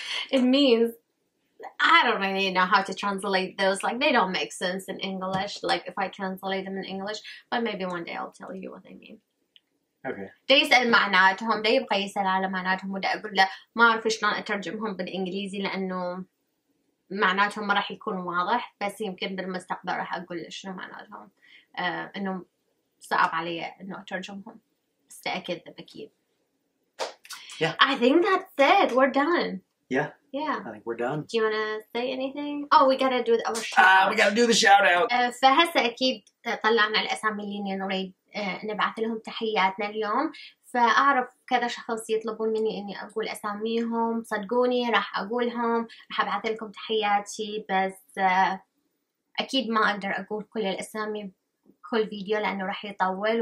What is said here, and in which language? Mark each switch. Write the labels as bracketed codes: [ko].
[en] It means, I don't really know how to translate those. Like, they don't make sense in English. Like, if I translate them in English. But maybe one day I'll tell you what they mean. Okay. [ar] They يسأل معناتهم. They يبقى يسأل على معناتهم. وده أقول له ما أعرف شلون أترجمهم بالإنجليزي لأنه معناتهم ما راح يكون واضح. بس يمكن بالمستقبل راح أقول له شنو معناتهم. إنه صعب علي إنه أترجمهم. بس تأكد ذا بكيب. [en] Yeah. I think that's it. We're done. Yeah. Yeah. I think we're done. Do you want to say anything? Oh, we got to do our shout out. We got to do the shout out. [ar] فهسه أكيد طلعنا الأسامي اللي نريد نبعث لهم تحياتنا اليوم. فأعرف كذا شخص يطلبون مني إني أقول أساميهم. صدقوني راح أقولهم. راح أبعث لكم تحياتي. بس أكيد ما أقدر أقول كل الأسامي كل فيديو لأنه راح يطول.